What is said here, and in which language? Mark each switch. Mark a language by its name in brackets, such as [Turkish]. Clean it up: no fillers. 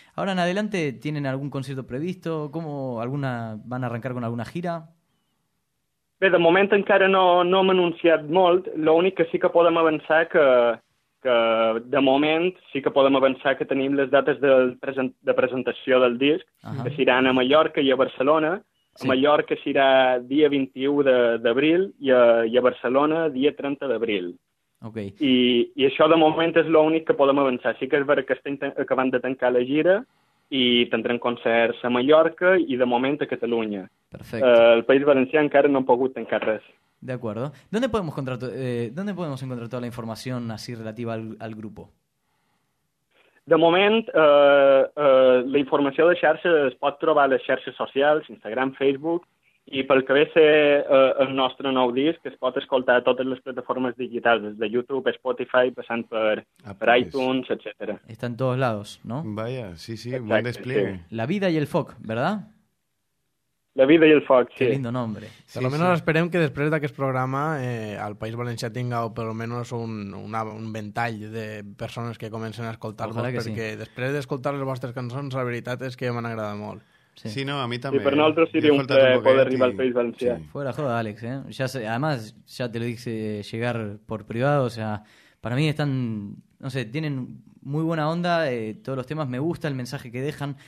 [Spanish] Ahora en adelante, ¿tienen algún concierto previsto? ¿Cómo alguna van a arrancar con alguna gira? [Catalan] Bé, de moment encara no hem anunciat molt. L'únic que sí que podem avançar que de moment sí que podem avançar que tenim les dates de presentació del disc. Uh-huh. Que seran a Mallorca i a Barcelona. Sí. A Mallorca serà dia 21 d'abril i a Barcelona dia 30 d'abril. [English] Okay. [Catalan] I això de moment és l'únic que podem avançar. Sí que és veritat que estem acabant de tancar la gira i tindrem concerts a Mallorca i de moment a Catalunya. [Spanish] Perfecto. [Catalan] El País Valencià encara no ha pogut tancar res. [Spanish] De acuerdo. ¿Dónde podemos encontrar toda la información así relativa al grupo? [Catalan] De moment, la informació de xarxes es pot trobar a les xarxes socials, Instagram, Facebook, i pel que ve ser el nostre nou disc, es pot escoltar a totes les plataformes digitals, des de YouTube, Spotify, passant per iTunes, etc. Està en tots lados, no? [Spanish] Vaya, sí, sí, exacte, buen despliegue. La vida i el foc, ¿verdad? [Catalan] La vida i el foc, sí. [Spanish] Qué lindo nombre. [Catalan] Sí, almenys sí. Esperem que després d'aquest programa el País Valencià tinga per almenys un ventall de persones que comencen a escoltar-vos, perquè sí. Després d'escoltar les vostres cançons, la veritat és que m'han agradat molt. Sí. Sí, no, a mi també. Sí, per nosaltres seria un poder arribar al País Valencià. Sí. [Spanish] Fuera joda, Àlex, eh? Ja sé, además, ja te lo dije, llegar por privado, o sea, para mí están, no sé, tienen muy buena onda, todos los temas, me gusta el mensaje que dejan.